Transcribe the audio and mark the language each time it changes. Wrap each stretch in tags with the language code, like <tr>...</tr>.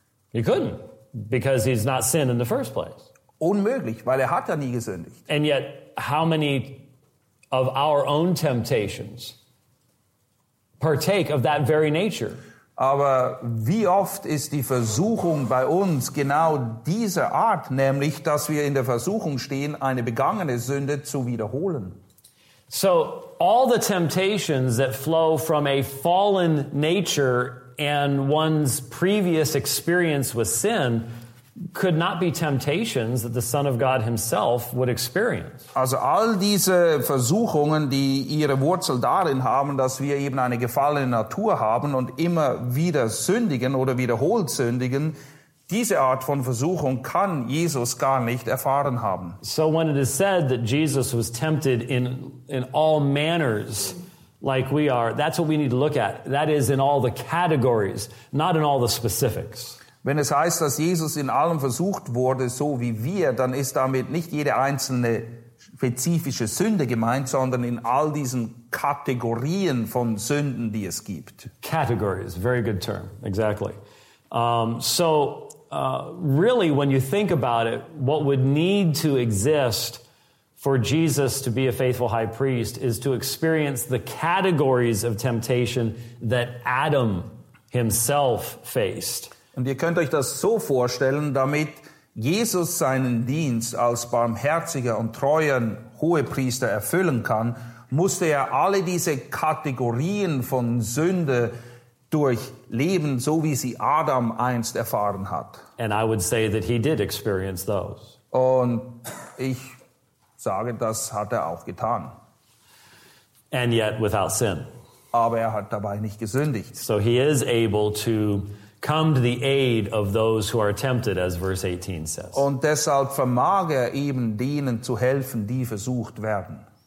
<en>He couldn't, because he's not sinned in the first place.</en> <de>Unmöglich, weil hat ja nie gesündigt.</de> <en>And yet, how many of our own temptations partake of that very nature?</en> <de>Aber wie oft ist die Versuchung bei uns genau dieser Art, nämlich, dass wir in der Versuchung stehen, eine begangene Sünde zu wiederholen?</de> <en>So, all the temptations that flow from a fallen nature and one's previous experience with sin could not be temptations that the Son of God himself would experience.</en> <de>Also all diese Versuchungen, die ihre Wurzel darin haben, dass wir eben eine gefallene Natur haben und immer wieder sündigen oder wiederholt sündigen, diese Art von Versuchung kann Jesus gar nicht erfahren haben.</de> <en>So when it is said that Jesus was tempted in all manners like we are, that's what we need to look at. That is in all the categories, not in all the specifics.</en> <de>Wenn es heißt, dass Jesus in allem versucht wurde, so wie wir, dann ist damit nicht jede einzelne spezifische Sünde gemeint, sondern in all diesen Kategorien von Sünden, die es gibt.</de> <en>Categories, very good term, exactly. Really, when you think about it, what would need to exist for Jesus to be a faithful high priest is to experience the categories of temptation that Adam himself faced.</en> <de>Und ihr könnt euch das so vorstellen, damit Jesus seinen Dienst als barmherziger und treuer Hohepriester erfüllen kann, musste er alle diese Kategorien von Sünde durchleben, so wie sie Adam einst erfahren hat.</de> <en>And I would say that he did experience those.</en> <de>Und ich sage, das hat er auch getan.</de> <en>And yet without sin.</en> <de>Aber er hat dabei nicht gesündigt.</de> <en>So he is able to come to the aid of those who are tempted, as verse 18 says.</en> <de>Und deshalb vermag er eben denen zu helfen, die versucht werden.</de>